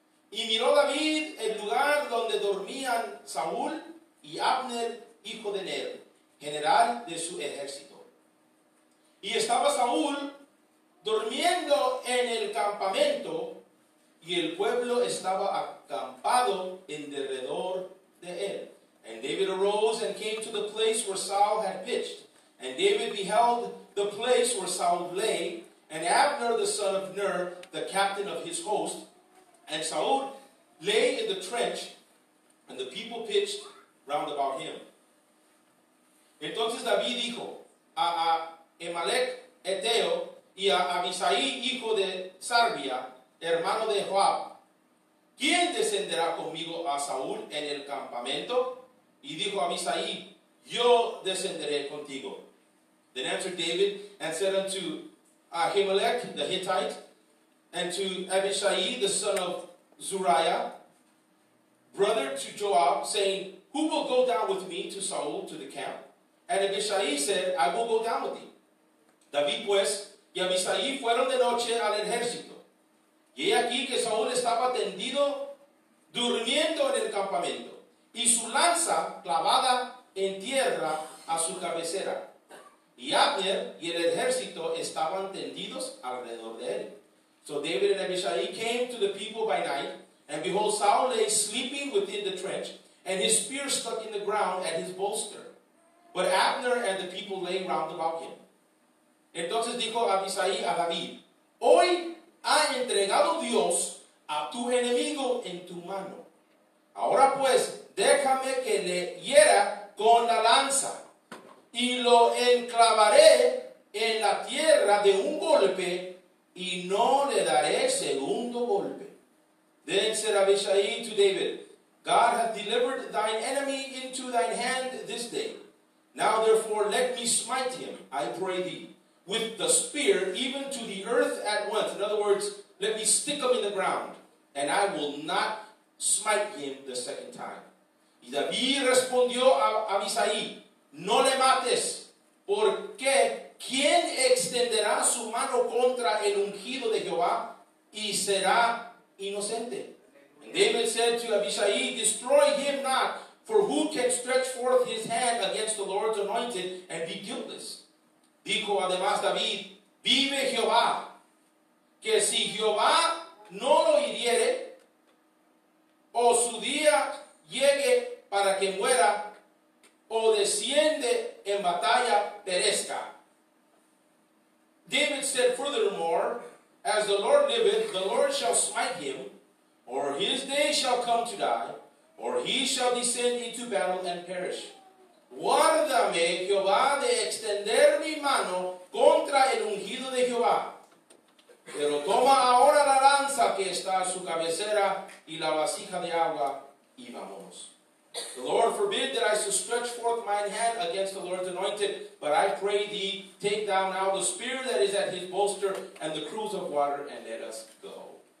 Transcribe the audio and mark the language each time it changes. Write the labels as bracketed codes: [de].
[es] Y miró David el lugar donde dormían Saúl y Abner, hijo de Ner, general de su ejército. Y estaba Saúl durmiendo en el campamento, y el pueblo estaba acampado en derredor de él. [en] And David arose and came to the place where Saul had pitched. And David beheld the place where Saul lay, and Abner the son of Ner, the captain of his host. And Saul lay in the trench, and the people pitched round about him. [es] Entonces David dijo a Amalek Eteo y a Abisai hijo de Sarbia, hermano de Joab, ¿quién descenderá conmigo a Saúl en el campamento? Y dijo a Abisai, yo descenderé contigo. [en] Then answered David and said unto Ahimelech the Hittite and to Abishai the son of Zeruiah, brother to Joab, saying, who will go down with me to Saúl to the camp? And Abishai said, I will go down with thee. [es] David pues y Abisai fueron de noche al ejército. Y he aquí que Saúl estaba tendido, durmiendo en el campamento, y su lanza clavada en tierra a su cabecera. Y Abner y el ejército estaban tendidos alrededor de él. [en] So David and Abishai came to the people by night, and behold, Saul lay sleeping within the trench, and his spear stuck in the ground at his bolster. But Abner and the people lay round about him. [es] Entonces dijo Abishai a David, hoy ha entregado Dios a tu enemigo en tu mano. Ahora pues, déjame que le hiera con la lanza y lo enclavaré en la tierra de un golpe y no le daré segundo golpe. [en] Then said Abishai to David, God hath delivered thine enemy into thine hand this day. Now therefore let me smite him, I pray thee, with the spear, even to the earth at once. In other words, let me stick him in the ground, and I will not smite him the second time. [es] Y David respondió a Abisai, no le mates, porque ¿quién extenderá su mano contra el ungido de Jehová y será inocente? [en] And David said to Abishai, destroy him not, for who can stretch forth his hand against the Lord's anointed and be guiltless? [es] Dijo además David, vive Jehová, que si Jehová no lo hiriere, o su día llegue para que muera, o desciende en batalla, perezca. [en] David said furthermore, as the Lord liveth, the Lord shall smite him, or his day shall come to die, or he shall descend into battle and perish. [es] Guárdame, Jehová, de extender mi mano contra el ungido de Jehová. Pero toma ahora la lanza que está a su cabecera y la vasija de agua, y vamos. [en] The Lord forbid that I should stretch forth mine hand against the Lord's anointed, but I pray thee, take thou now the spear that is at his bolster and the cruse of water, and let us go.